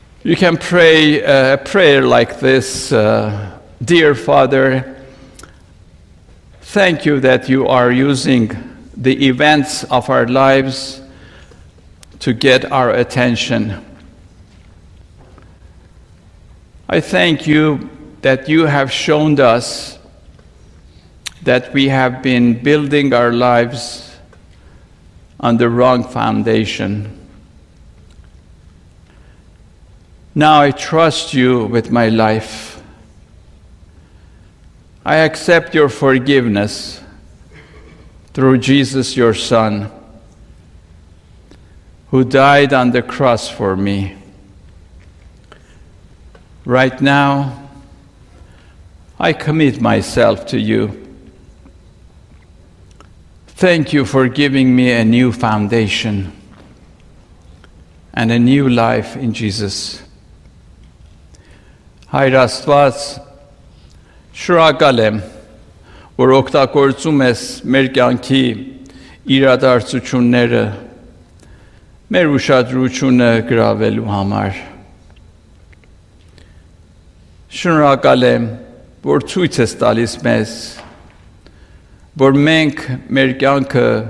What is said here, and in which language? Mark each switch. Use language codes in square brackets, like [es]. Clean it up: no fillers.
[en] You can pray a prayer like this, dear Father, thank you that you are using the events of our lives to get our attention. I thank you that you have shown us that we have been building our lives on the wrong foundation. Now I trust you with my life. I accept your forgiveness through Jesus, your Son, who died on the cross for me. Right now, I commit myself to you. Thank you for giving me a new foundation and a new life in Jesus. [hy] Հայր Աստված, շնորհակալ եմ, որ օգտագործում ես մեր կյանքի իրադարձությունները մեր ուշադրությունը գրավելու համար։ Շնորհակալ եմ, որ ցույց ես տալիս մեզ, որ մենք մեր կյանքը